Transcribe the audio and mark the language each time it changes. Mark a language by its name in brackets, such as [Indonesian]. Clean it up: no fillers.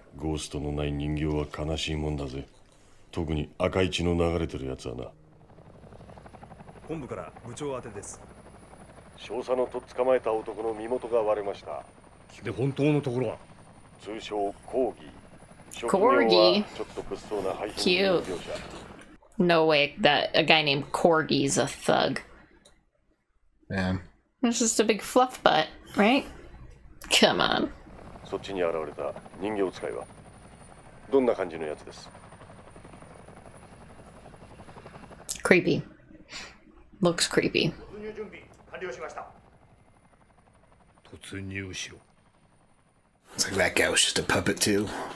[Japanese] ゴーストのない人形は悲しいもんだぜ。特に赤い血の流れてるやつはな。本部から部長宛てです。少佐のとっ捕まえた男の身元が割れました。で、本当のところは通称コーギー。職業はちょっと物騒な配信業者。 [English] No way that a guy named Corgi is a thug. Man. It's just a big fluff butt, right? Come on. [Japanese] そっちに現れた人形使いはどんな感じのやつです? [English] Creepy. Looks creepy. [Japanese] 突入準備完了しました。突入しろ。 [English] It's like that guy was just a puppet too.